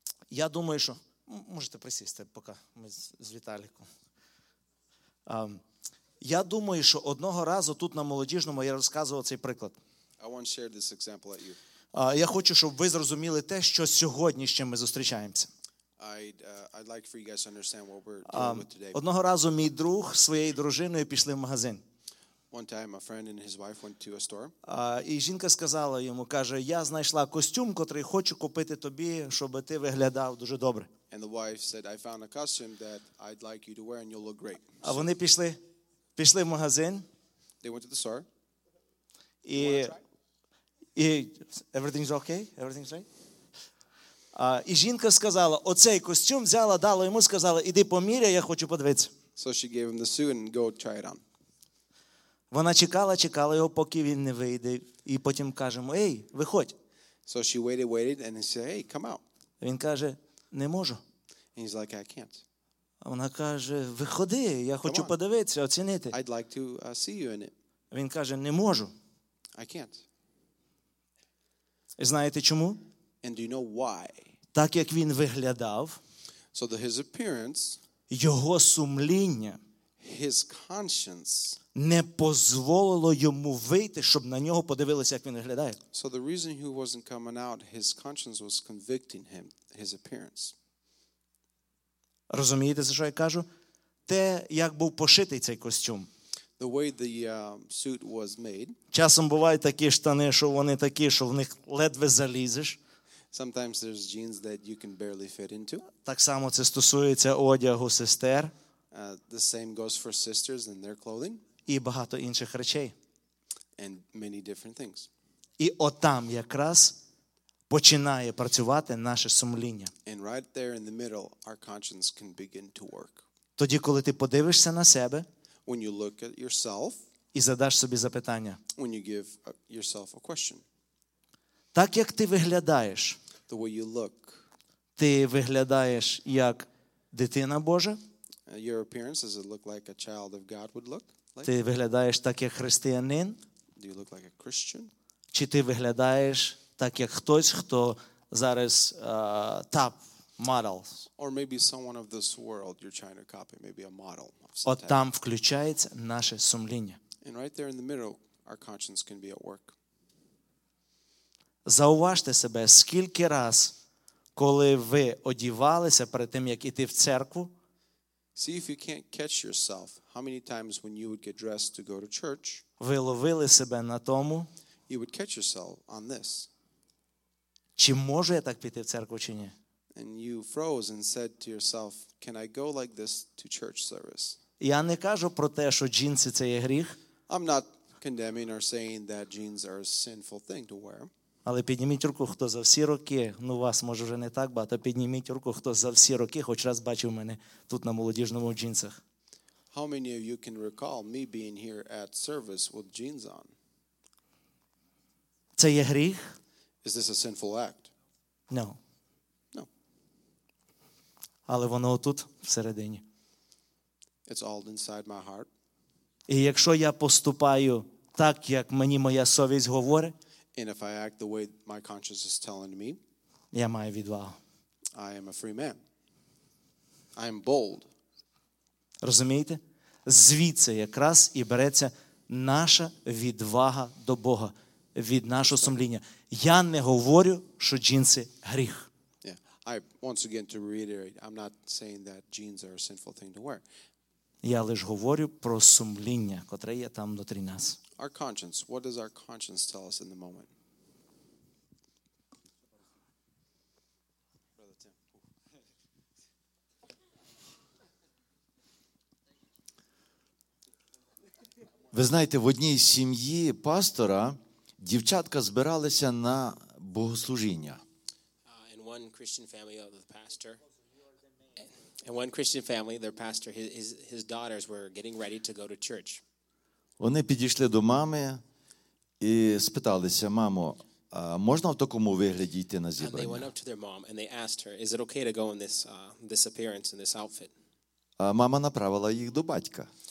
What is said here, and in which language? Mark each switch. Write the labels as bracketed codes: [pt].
[uk] Я думаю, що можете присісти, поки ми з Віталіком. Я думаю, що одного разу тут на молодіжному я розказував цей приклад. [en] I want to share this example at you. [uk] Я хочу, щоб ви зрозуміли те, що сьогодні з чим ми зустрічаємося. [en] I'd like for you guys to understand what we're doing with today. [uk] Одного разу мій друг зі своєю дружиною пішли в магазин. [en] One time a friend and his wife went to a store. [uk] І жінка сказала йому, каже: "Я знайшла костюм, котрий хочу купити тобі, щоб ти виглядав дуже добре". [en] And the wife said, "I found a costume that I'd like you to wear and you'll look great". [uk] А вони пішли в магазин. [en] They went to the store. І everything's okay? Everything's right? [uk] І жінка сказала: "Оцей костюм взяла, дала йому, сказала: "Іди поміряй, я хочу подивитися". [en] So she gave him the suit and go try it on. [uk] Вона чекала його, поки він не вийде, і потім кажемо: "Ей, виходь". [en] So she waited and he said, "Hey, come out". [uk] Він каже: "Не можу". [en] And he's like, "I can't". [uk] Вона каже: "Виходи, я хочу подивитися, оцінити". [en] I'd like to see you in it. [uk] Він каже: "Не можу". [en] I can't. [uk] Знаєте чому? [en] And do you know why? [uk] Так як він виглядав, [en] so his appearance, [uk] його сумління, [en] his conscience, [uk] не дозволило йому вийти, щоб на нього подивилися, як він виглядає. [en] So the reason he wasn't coming out, his conscience was convicting him, his appearance. [uk] Розумієте, за що я кажу? Те, як був пошитий цей костюм. [en] The way the suit was made. [uk] Часом бувають такі штани, що вони такі, що в них ледве залізеш. [en] Sometimes there's jeans that you can barely fit into. [uk] Так само це стосується одягу сестер. [en] The same goes for sisters and their clothing. [uk] І багато інших речей. [en] And many different things. [uk] І отам якраз починає працювати наше сумління. [en] And right there in the middle, our conscience can begin to work. [uk] Тоді, коли ти подивишся на себе, [en] when you look at yourself, [uk] і задаш собі запитання, [en] when you give yourself a question, [uk] так як ти виглядаєш, [en] the way you look, [uk] ти виглядаєш як дитина Божа, [en] your appearance, does it look like a child of God would look like? [uk] Ти виглядаєш так як християнин, [en] do you look like a Christian? [uk] Чи ти виглядаєш так як хтось, хто зараз top model? [en] Or maybe someone of this world, you're trying to copy, maybe a model. [uk] От там включається наше сумління. [en] And right there in the middle, our conscience can be at work. [uk] Зауважте себе, скільки раз, коли ви одівалися перед тим, як іти в церкву, [en] see if you can't catch yourself, how many times when you would get dressed to go to church, [uk] ви ловили себе на тому, [en] you would catch yourself on this. [uk] Чи можу я так піти в церкву чи ні? [en] And you froze and said to yourself, can I go like this to church service? [uk] Я не кажу про те, що джинси це є гріх. [en] I'm not condemning or saying that jeans are a sinful thing to wear. [uk] Але підніміть руку, хто за всі роки, ну вас може вже не так багато, підніміть руку, хто за всі роки хоч раз бачив мене тут на молодіжному в джинсах. [en] How many of you can recall me being here at service with jeans on? [uk] Це є гріх? [en] Is this a sinful act? No. No. [uk] Але воно отут, всередині. [en] It's all inside my heart. [uk] І якщо я поступаю так, як мені моя совість говорить, [en] and if I act the way my conscience is telling me, [uk] я маю відвагу. [en] I am a free man. I am bold. [uk] Розумієте? Звідси якраз і береться наша відвага до Бога, від нашого сумління. Я не говорю, що джинси гріх. [en] Yeah. I once again to reiterate, I'm not saying that jeans are a sinful thing to wear. [uk] Я лиш говорю про сумління, котре є там внутрі нас. [en] Our conscience, what does our conscience tell us in the moment? Brother Tim. [uk] Ви знаєте, в одній сім'ї пастора дівчатка збиралися на богослужіння. [en] In one Christian family of the pastor. And one Christian family, their pastor, his daughters were getting ready to go to church. [uk] Вони підійшли до мами і спиталися: "Мамо, а можна в такому вигляді йти на зібрання?" [en] And they went up to their mom and they asked her, "Is it okay to go in this appearance, in this outfit?" [uk] А мама направила їх до батька.